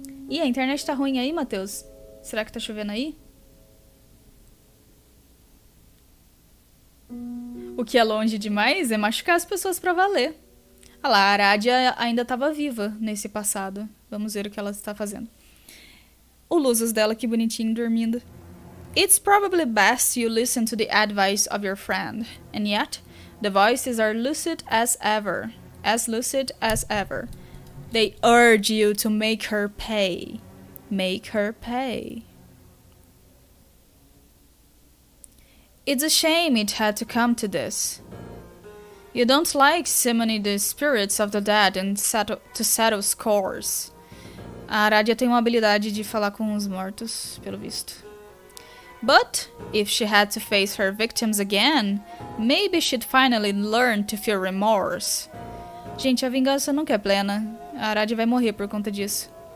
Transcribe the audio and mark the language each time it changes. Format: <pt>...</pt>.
<pt>Ih, a internet tá ruim aí, Matheus? Será que tá chovendo aí? O que é longe demais é machucar as pessoas pra valer. Ah lá, a Aradia ainda tava viva nesse passado. Vamos ver o que ela está fazendo. O Luzos dela, que bonitinho, dormindo.</pt> <en>It's probably best you listen to the advice of your friend. And yet, the voices are lucid as ever. As lucid as ever. They urge you to make her pay. Make her pay. It's a shame it had to come to this. You don't like summoning the spirits of the dead and to settle scores.</en> <pt>A Aradia tem uma habilidade de falar com os mortos, pelo visto.</pt> <en>But if she had to face her victims again, maybe she'd finally learn to feel remorse.</en> <pt>Gente, a vingança nunca é plena. A Aradia vai morrer por conta disso.</pt>